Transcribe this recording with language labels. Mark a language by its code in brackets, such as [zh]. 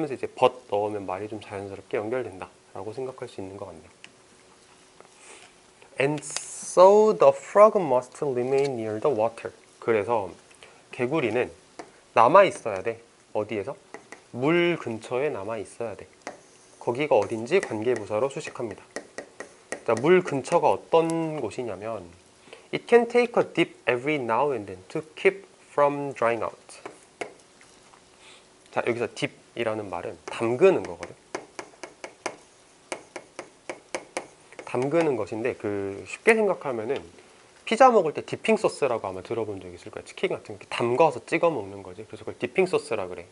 [ko] 하면서 이제 but 넣으면 말이 좀 자연스럽게 연결된다라고 생각할 수 있는 것 같네요. [en] And so the frog must remain near the water. [ko] 그래서 개구리는 남아 있어야 돼. 어디에서? 물 근처에 남아 있어야 돼. 거기가 어딘지 관계부사로 수식합니다. 자, 물 근처가 어떤 곳이냐면, [en] It can take a dip every now and then to keep from drying out. [ko] 자, 여기서 dip이라는 말은 담그는 거거든. 담그는 것인데, 그 쉽게 생각하면은 피자 먹을 때 디핑 소스라고 아마 들어본 적 있을 거야. 치킨 같은 게 담가서 찍어 먹는 거지. 그래서 그걸 디핑 소스라 그래.